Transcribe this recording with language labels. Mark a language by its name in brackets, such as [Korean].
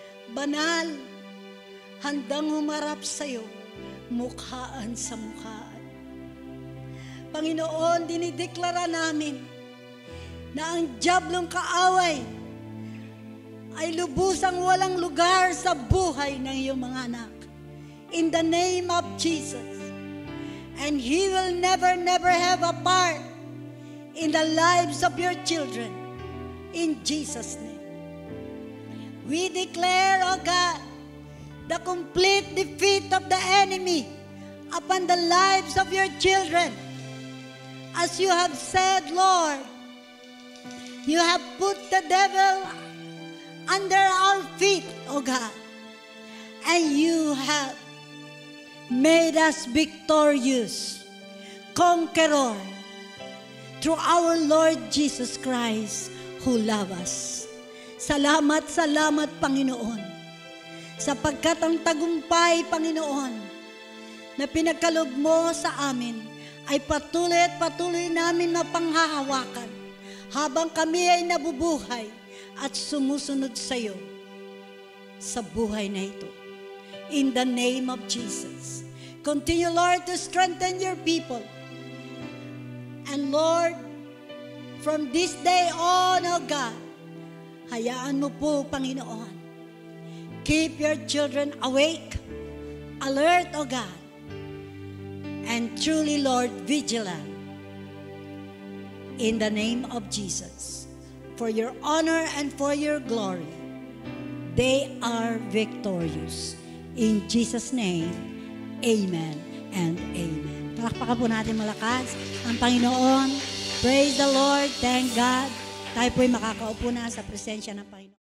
[Filipino] Banal, handang humarap sa iyo, mukhaan sa mukhaan. Panginoon, dinideklara namin na ang diablong kaaway ay lubusang walang lugar sa buhay ng iyong mga anak. [English] In the name of Jesus, and He will never, never have a part in the lives of your children. In Jesus' name, we declare, O God, the complete defeat of the enemy upon the lives of your children. As you have said, Lord, you have put the devil under our feet, O God, and you have made us victorious, conqueror, through our Lord Jesus Christ, who love us. [Filipino] Salamat, salamat, Panginoon, sapagkat ang tagumpay, Panginoon, na pinagkalob mo sa amin ay patuloy at patuloy namin na panghahawakan habang kami ay nabubuhay at sumusunod sa iyo sa buhay na ito. [English] In the name of Jesus, continue, Lord, to strengthen your people. And Lord, from this day on, O God, [Filipino] hayaan mo po, Panginoon. [English] Keep your children awake, alert, O God, and truly, Lord, vigilant. In the name of Jesus, for your honor and for your glory, they are victorious. In Jesus' name, amen and amen. [Filipino] Palakpakan po natin malakas ang Panginoon. [English] Praise the Lord. Thank God. [Filipino] Tayo po'y makakaupo na sa presensya ng Panginoon.